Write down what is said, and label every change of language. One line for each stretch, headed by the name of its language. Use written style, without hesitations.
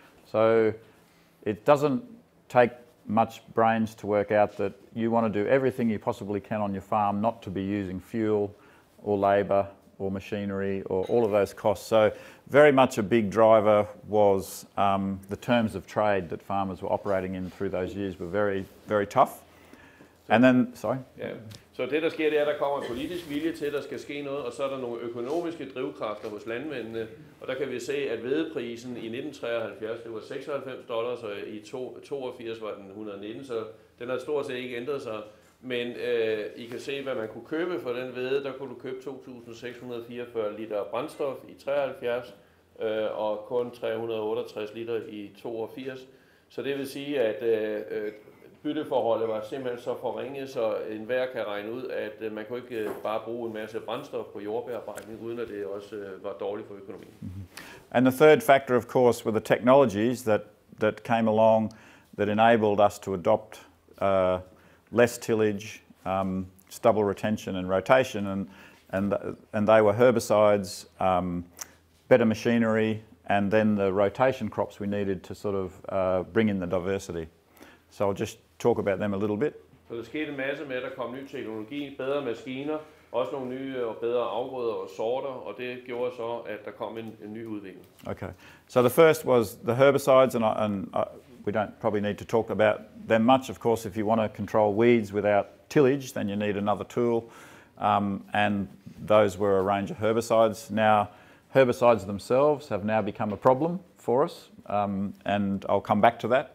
English: So it doesn't take much brains to work out that you want to do everything you possibly can on your farm not to be using fuel or labour or machinery or all of those costs. So very much a big driver was the terms of trade that farmers were operating in through those years were very, very tough. And then, sorry? Yeah.
Danish: Så det, der sker, det er, at der kommer politisk vilje til, at der skal ske noget, og så er der nogle økonomiske drivkræfter hos landmændene. Og der kan vi se, at hvedeprisen i 1973, det var $96, og i 82 var den 119, så den har stort set ikke ændret sig. Men I kan se, hvad man kunne købe for den hvede. Der kunne du købe 2.644 liter brændstof i 73, og kun 368 liter i 82. Så det vil sige, at bytteforholdet var simpelthen så forringet, så enhver kan regne ud, at man kunne ikke bare bruge en masse brændstof på jordbearbejdning, uden at det også var dårligt for økonomien.
English: And the third factor, of course, were the technologies that came along that enabled us to adopt less tillage, stubble retention and rotation, and they were herbicides, better machinery, and then the rotation crops we needed to sort of bring in the diversity. So I'll just talk about them a little bit.
Danish: Så der skete en masse med, at der kom ny teknologi, bedre maskiner, også nogle nye og bedre afgrøder og sorter, og det gjorde så, at der kom en ny udvikling. Okay.
English: So the first was the herbicides, we don't probably need to talk about them much. Of course, if you want to control weeds without tillage, then you need another tool. And those were a range of herbicides. Now, herbicides themselves have now become a problem for us, and I'll come back to that.